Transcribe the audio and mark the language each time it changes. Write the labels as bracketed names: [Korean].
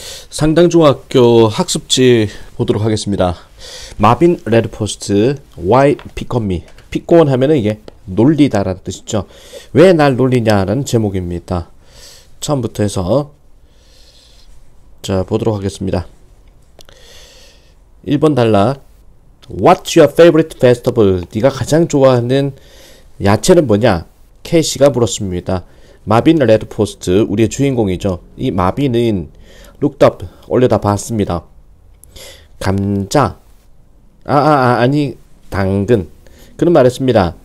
[Korean] 상당중학교 학습지 보도록 하겠습니다. [English] 마빈 레드포스트, Why Pick on Me? [Korean] Pick on 하면은 이게 놀리다라는 뜻이죠. 왜날 놀리냐라는 제목입니다. 처음부터 해서 자 보도록 하겠습니다. 1번 단락. [English] What's your favorite vegetable? [Korean] 네가 가장 좋아하는 야채는 뭐냐? 캐시가 물었습니다. 마빈 레드포스트, 우리의 주인공이죠. 이 마빈은 looked up, 올려다봤습니다. 감자. 아니, 당근. 그는 말했습니다.